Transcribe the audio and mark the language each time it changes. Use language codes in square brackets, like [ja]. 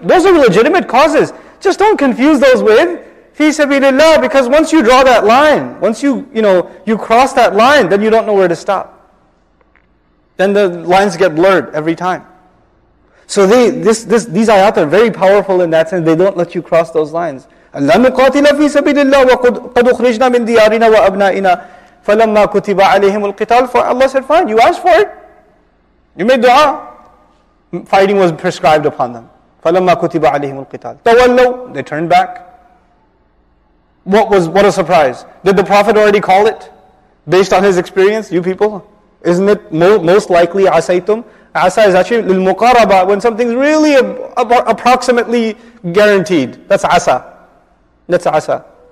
[en] Those are legitimate causes. Just don't confuse those with fi sabilillah, because once you draw that line, once you cross that line, then you don't know where to stop. Then the lines get blurred every time. So these ayat are very powerful in that sense. They don't let you cross those lines. [ar] أَلَّا نُقَاتِلَ فِي سَبِيلِ اللَّهِ وَقَدْ أُخْرِجْنَا مِنْ دِيَارِنَا وَأَبْنَائِنَا فَلَمَّا كُتِبَ عَلَيْهِمُ الْقِتَالِ فَاللَّهُ [en] said, fine, you asked for it. You made dua. Fighting was prescribed upon them. [ar] فَلَمَّا كُتِبَ عَلَيْهِمُ الْقِتَالِ تَوَلَّوْا. [en] They turned back. What a surprise. Did the Prophet already call it? Based on his experience, you people? Isn't it most likely asaytum? Asa is actually lil-muqaraba, when something's really approximately guaranteed. That's asa. That's asa.